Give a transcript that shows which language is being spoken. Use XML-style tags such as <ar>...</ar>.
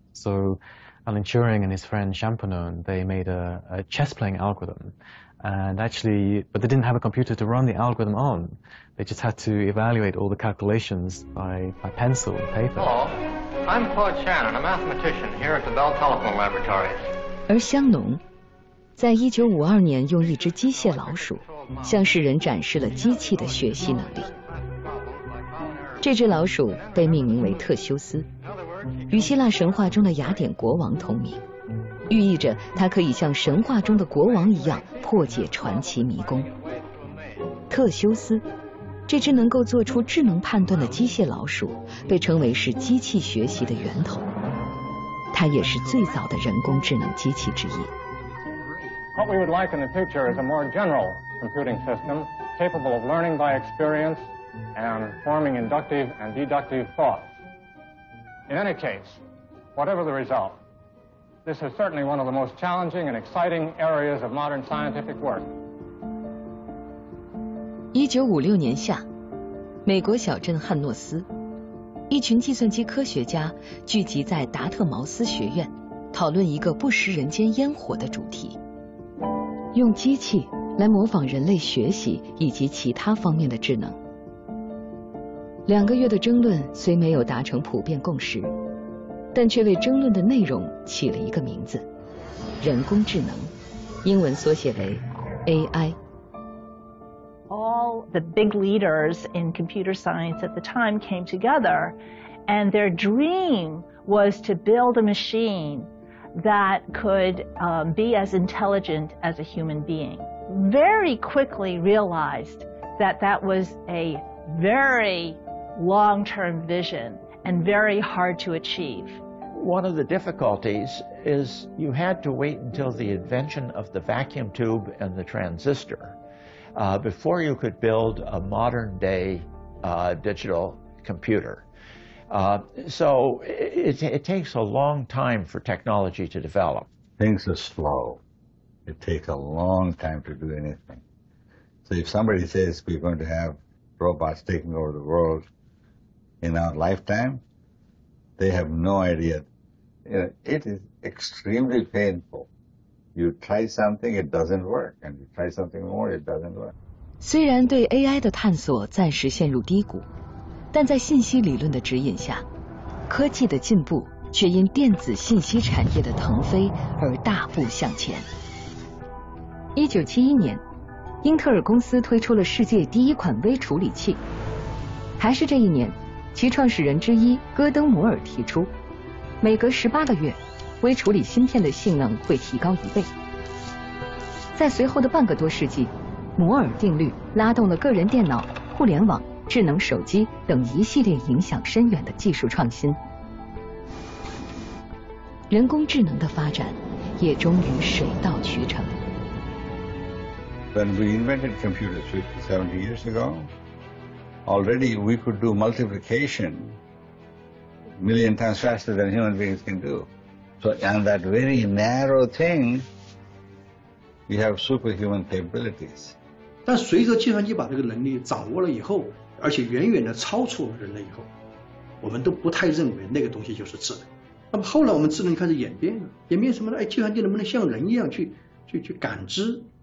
<en>So Alan Turing and his friend Champignon, they made a chess playing algorithm. And actually, but they didn't have a computer to run the algorithm on. They just had to evaluate all the calculations by pencil and paper. Hello. I'm Claude Shannon, a mathematician here at the Bell Telephone Laboratories.</en> <zh>而香农在1952年用一只机械老鼠向世人展示了机器的学习能力。这只老鼠被命名为特修斯，与希腊神话中的雅典国王同名，寓意着它可以像神话中的国王一样破解传奇迷宫。特修斯，这只能够做出智能判断的机械老鼠，被称为是机器学习的源头，它也是最早的人工智能机器之一。</zh> <en>What we would like in the future is a more general computing system capable of learning by experience and forming inductive and deductive thoughts. In any case, whatever the result, this is certainly one of the most challenging and exciting areas of modern scientific work.</en> <zh>1956年夏，美国小镇汉诺斯，一群计算机科学家聚集在达特茅斯学院，讨论一个不食人间烟火的主题：用机器来模仿人类学习以及其他方面的智能。两个月的争论虽没有达成普遍共识，但却为争论的内容起了一个名字：人工智能，英文缩写为 AI。 Oh,</zh> <en>the big leaders in computer science at the time came together, and their dream was to build a machine that could be as intelligent as a human being. Very quickly realized that that was a very long-term vision and very hard to achieve. One of the difficulties is you had to wait until the invention of the vacuum tube and the transistor before you could build a modern-day digital computer. So it takes a long time for technology to develop. Things are slow. It takes a long time to do anything. So if somebody says we're going to have robots taking over the world in our lifetime, they have no idea. You know, it is extremely painful. You try something, it doesn't work. And you try something more, it doesn't work.</en> <zh>虽然对 AI 的探索暂时陷入低谷，但在信息理论的指引下，科技的进步却因电子信息产业的腾飞而大步向前。 1971年，英特尔公司推出了世界第一款微处理器。还是这一年，其创始人之一戈登·摩尔提出，每隔18个月，微处理芯片的性能会提高一倍。在随后的半个多世纪，摩尔定律拉动了个人电脑、互联网、智能手机等一系列影响深远的技术创新。人工智能的发展也终于水到渠成。</zh> <en>When we invented computers 70 years ago, already we could do multiplication a million times faster than human beings can do. So on that very narrow thing, we have superhuman capabilities.</en> <zh>但随着计算机把这个能力掌握了以后，而且远远的超出了人类以后，我们都不太认为那个东西就是智能。那么后来我们智能开始演变了，演变什么呢？哎，计算机能不能像人一样去感知？</zh>